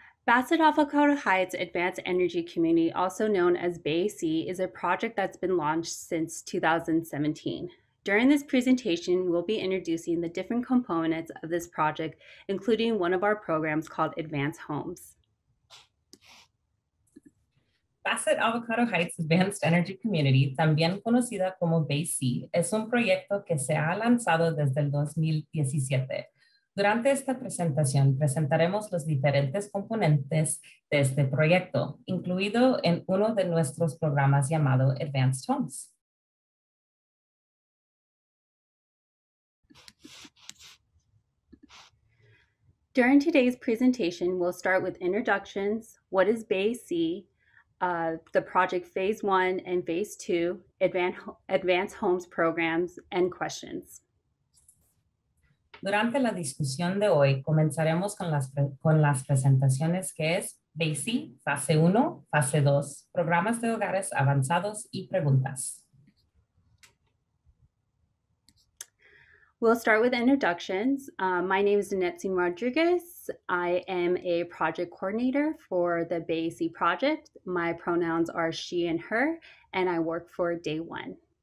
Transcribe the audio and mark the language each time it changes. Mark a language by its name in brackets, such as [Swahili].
[English] Bassett Alpha Colorado Heights Advanced Energy Community, also known as BAC, is a project that's been launched since 2017. During this presentation, we'll be introducing the different components of this project, including one of our programs called Advanced Homes. [Spanish] Bassett Alpha Colorado Heights Advanced Energy Community, también conocida como BAC, es un proyecto que se ha lanzado desde el 2017. Durante esta presentación, presentaremos los diferentes componentes de este proyecto, incluido en uno de nuestros programas llamado Advanced Homes. [English] During today's presentation, we'll start with introductions, what is BAC, the project phase one and phase two, advanced homes programs, and questions. [Spanish] Durante la discusión de hoy, comenzaremos con las presentaciones que es BAC, fase 1, fase 2, programas de hogares avanzados y preguntas. [English] We'll start with introductions. My name is Annette Rodriguez. I am a project coordinator for the BAC project. My pronouns are she and her, and I work for day one.